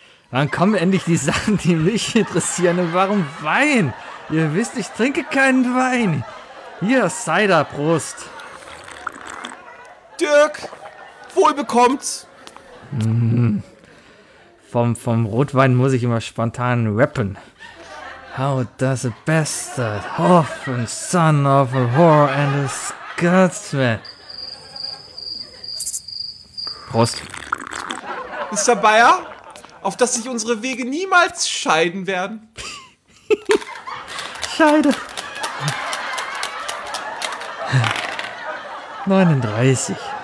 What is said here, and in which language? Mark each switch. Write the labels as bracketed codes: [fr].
[de] Wann kommen endlich die Sachen, die mich interessieren? Und warum Wein? Ihr wisst, ich trinke keinen Wein. Hier, Cider, Prost. Dirk! Wohl bekommt's. Vom Rotwein muss ich immer spontan rappen. [en] How does a bastard often son of a whore and a Scotsman. [de] Prost. Mr. Bayer, auf dass sich unsere Wege niemals scheiden werden. Scheide. 39.